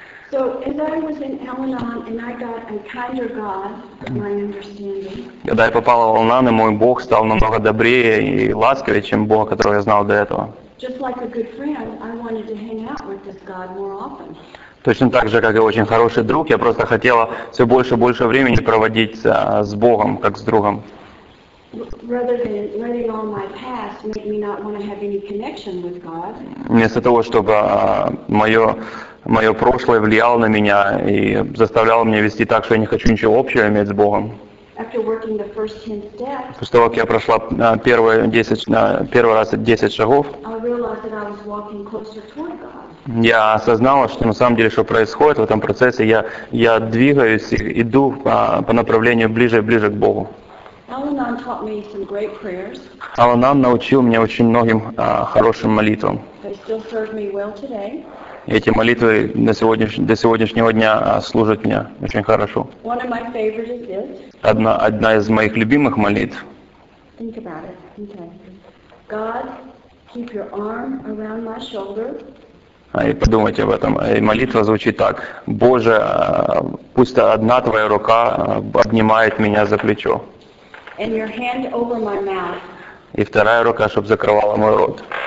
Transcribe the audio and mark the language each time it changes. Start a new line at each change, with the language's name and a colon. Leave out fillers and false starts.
English: So as I was in Al-Anon and I got a kinder God, my understanding.
Russian: Когда я попал в Al-Anon, мой Бог стал намного добрее и ласковее, чем Бог, которого я знал до этого.
English: Just like a good friend, I wanted to hang out with this God more often.
Russian: Точно так же, как и очень хороший друг, я просто хотела все больше и больше времени проводить с Богом, как с другом.
English: Rather than letting all my past make me not want to have any connection with God.
Russian: Вместо того, чтобы мое прошлое влияло на меня и заставляло меня вести так, что я не хочу ничего общего иметь с Богом.
English: After working the first 10 steps.
Russian: После того, как я прошла первый раз 10 шагов.
English: I realized that I was walking closer toward God.
Russian: Я осознала, что на самом деле, что происходит в этом процессе, я двигаюсь и иду по направлению ближе и ближе к Богу.
English: Al-Anon taught me some great prayers.
Russian: Al-Anon научил меня очень многим хорошим молитвам.
English: They still serve me well today.
Russian: Эти молитвы до сегодняшнего дня служат мне очень хорошо.
English: One of my favorite is this.
Russian: Одна из моих любимых молитв.
English: Think about it. Okay. God, keep your arm around my shoulder.
Russian: И подумайте об этом. И молитва звучит так. Боже, пусть одна твоя рука обнимает меня за плечо.
English: And your hand over my mouth.
Russian: И вторая рука, чтобы закрывала мой рот.